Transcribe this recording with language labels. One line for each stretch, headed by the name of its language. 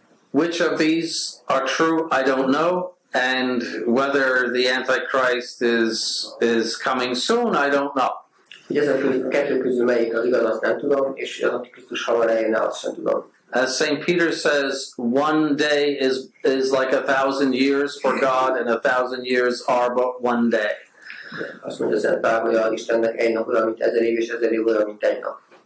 English: Which of these are true, I don't know, and whether the Antichrist is coming soon, I don't know.
Hungarian: Kettő közül melyik az igaz, azt nem tudom, és az Antikrisztus hamar eljönne, azt sem tudom.
English: As St. Peter says, one day is like 1,000 years for God, and 1,000 years are but one day.
Hungarian: Azt mondja Szent Pál, hogy az Istennek egy nap olyan, mint 1,000 év, és 1,000 év olyan, mint egy nap.